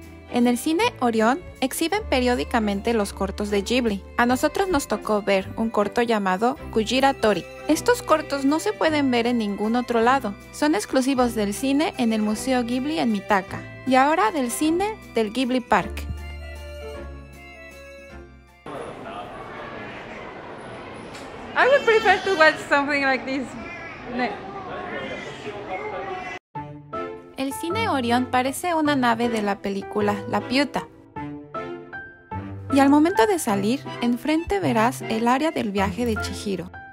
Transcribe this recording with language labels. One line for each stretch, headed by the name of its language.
Spanish: En el cine Orión exhiben periódicamente los cortos de Ghibli. A nosotros nos tocó ver un corto llamado Kujira Tori. Estos cortos no se pueden ver en ningún otro lado. Son exclusivos del cine en el Museo Ghibli en Mitaka y ahora del cine del Ghibli Park.
English: I would prefer to watch something like this.
Spanish: El cine Orión parece una nave de la película La Piuta. Y al momento de salir, enfrente verás el área del viaje de Chihiro.